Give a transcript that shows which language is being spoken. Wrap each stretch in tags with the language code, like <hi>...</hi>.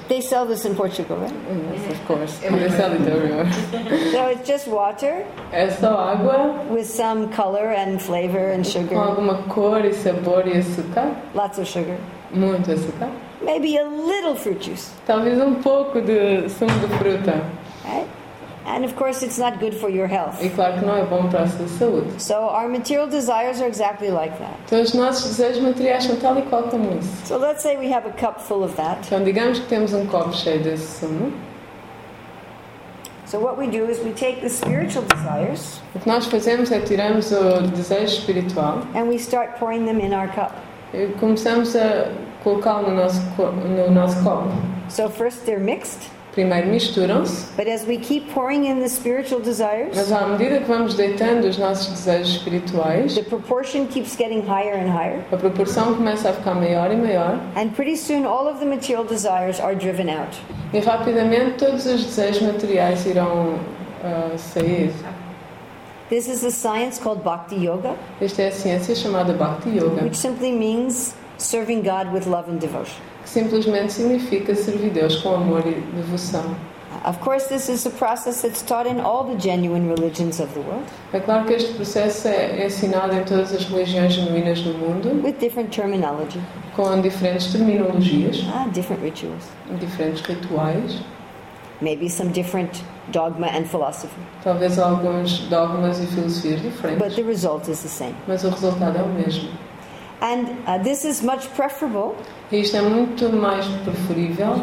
<en>They sell this in Portugal, right? Yes, of course. They sell it everywhere. So it's just water.</en> <pt>É só água.</pt> <en>With some color and flavor and sugar.</en> <pt>Com alguma cor e sabor e açúcar.</pt> <en>Lots of sugar.</en> <pt>Muito açúcar.</pt> <en>Maybe a little fruit juice.</en> <pt>Talvez pouco de sumo de fruta.</pt> <en>Right? And of course it's not good for your health.</en> <pt>E claro que não é bom para a sua saúde.</pt> <en>So our material desires are exactly like that.</en> <pt>Então os nossos desejos materiais são tal e qual como isso.</pt> <en>So let's say we have a cup full of that.</en> <pt>Então digamos que temos copo cheio desse sumo.</pt> <en>So what we do is we take the spiritual desires.</en> <pt>O que nós fazemos é tiramos o desejo espiritual.</pt> <en>And we start pouring them in our cup.</en> <pt>E começamos a colocá-lo no nosso copo.</pt> <en>So first they're mixed.</en> <pt>Primeiro misturam-se.</pt> <en>But as we keep pouring in the spiritual desires,</en> <pt>mas à medida que vamos deitando os nossos desejos espirituais,</pt> <en>the proportion keeps getting higher and higher.</en> <pt>A proporção começa a ficar maior e maior.</pt> <en>And pretty soon all of the material desires are driven out.</en> <pt>E rapidamente todos os desejos materiais irão sair.</pt> <en>This is a science called Bhakti Yoga.</en> <pt>Esta é a ciência chamada Bhakti Yoga,</pt> <en>which simply means serving God with love and devotion.</en> <pt>Que simplesmente significa servir Deus com amor e devoção.</pt> <en>Of course, this is a process that's taught in all the genuine religions of the world.</en> <pt>É claro que este processo é ensinado em todas as religiões genuínas do mundo.</pt> <en>With different terminology.</en> <pt>Com diferentes terminologias.</pt> <en>Ah, different rituals.</en> <pt>Diferentes rituais.</pt> <en>Maybe some different dogma and philosophy.</en> <pt>Talvez alguns dogmas e filosofias diferentes.</pt> <en>But the result is the same.</en> <pt>Mas o resultado é o mesmo.</pt> <en>And this is much preferable.</en> <pt>Isto é muito mais preferível.</pt>